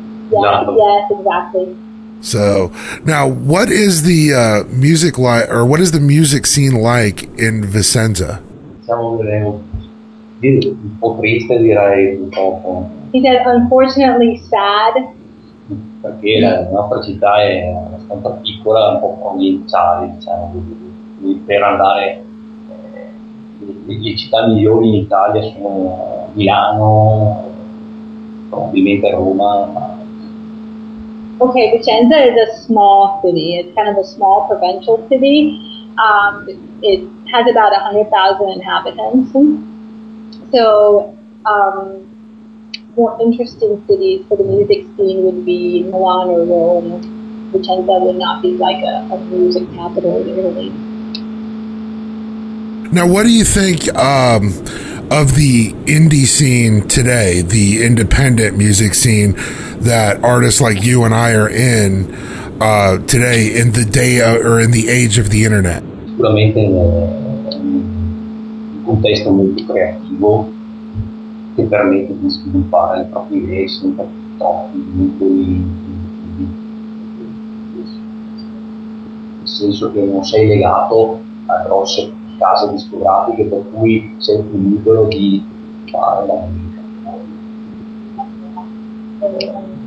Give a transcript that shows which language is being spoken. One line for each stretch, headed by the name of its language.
English: Yes, exactly. So now, what is the music like, or what is the music scene like in Vicenza? He said, unfortunately, sad.
Italian: Perché la nostra città è abbastanza piccola, un po' provinciale, diciamo. Per andare, le città migliori in Italia sono Milano, probabilmente Roma.
English: Okay, Vicenza is a small city. It's kind of a small provincial city. It has about 100,000 inhabitants. So, more interesting cities for the music scene would be Milan or Rome. Vicenza would not be like a music capital in Italy. Now, what do you think of the indie scene today, the independent music scene that artists like you and I are in today, in the day or in the age of the internet?
Italian: Sicuramente in un contesto molto creativo che permette di sviluppare le proprie idee senza nel senso che non sei legato a grosse case discografiche, per cui sei più libero di fare la musica.